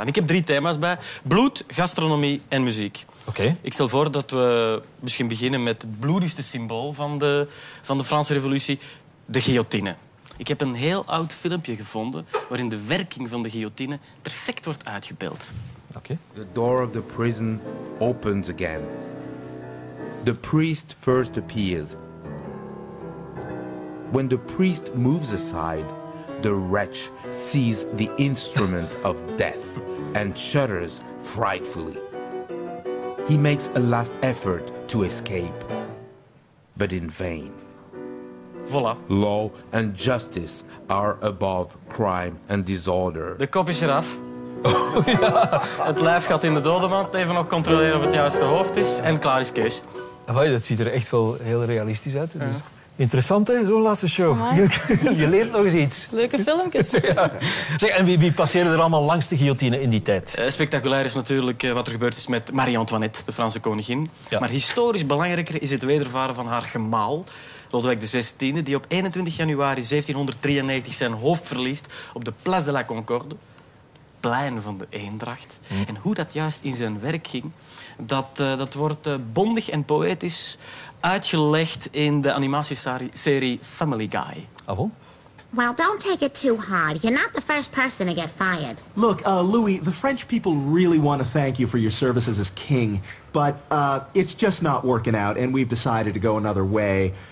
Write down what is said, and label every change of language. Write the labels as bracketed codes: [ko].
[nl] En ik heb drie thema's bij. Bloed, gastronomie en muziek. Okay. Ik stel voor dat we misschien beginnen met het bloedigste symbool van de Franse revolutie. De guillotine. Ik heb een heel oud filmpje gevonden waarin de werking van de guillotine perfect wordt uitgebeeld. Okay. [en] The door of the prison opens again. The priest first appears. When the priest moves aside, the wretch sees the instrument of death and shudders frightfully. He makes a last effort to escape, but in vain. Voilà. Law and justice are above crime and disorder. [nl] De kop is eraf. Het lijf gaat in de dodenmand. Even nog controleren of het juiste hoofd is. En klaar is Kees. Amai, dat ziet er echt wel heel realistisch uit. Dus... Interessant, hè? Zo'n laatste show. Leuk. Je leert nog eens iets. Leuke filmpjes. Ja. Zeg, en wie passeerde er allemaal langs de guillotine in die tijd? Spectaculair is natuurlijk wat er gebeurd is met Marie Antoinette, de Franse koningin. Ja. Maar historisch belangrijker is het wedervaren van haar gemaal, Lodewijk XVI, die op 21 januari 1793 zijn hoofd verliest op de Place de la Concorde. Plein van de Eendracht. Mm. En hoe dat juist in zijn werk ging, dat wordt bondig en poëtisch uitgelegd in de animatieserie Family Guy. Oh, wow. [en] Well, don't take it too hard. You're not the first person to get fired. Look, Louis, the French people really want to thank you for your services as king, but it's just not working out and we've decided to go another way.